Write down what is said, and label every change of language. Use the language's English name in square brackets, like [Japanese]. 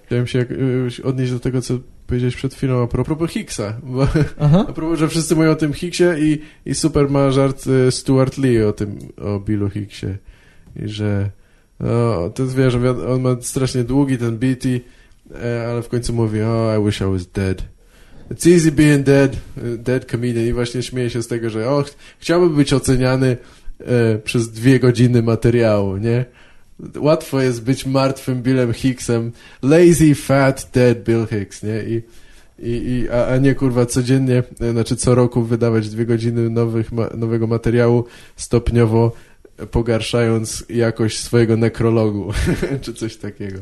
[Polish] Chciałem się jakoś odnieść do tego, co powiedziałeś przed chwilą a propos Hicksa. Bo, aha. A propos, że wszyscy mówią o tym Hicksie i super ma żart Stuart Lee o tym, o Billu Hicksie. I że, no, to jest, wiesz, on ma strasznie długi ten beat i, ale w końcu mówi, [English] oh, I wish I was dead. It's easy being dead comedian. [Polish] I właśnie śmieje się z tego, że, chciałbym być oceniany przez 2 godziny materiału, nie? Łatwo jest być martwym Billem Hicksem. [English] Lazy, fat, dead Bill Hicks, [Polish] nie? A nie, kurwa, codziennie, znaczy co roku wydawać 2 godziny nowego materiału, stopniowo pogarszając jakość swojego nekrologu, czy coś takiego.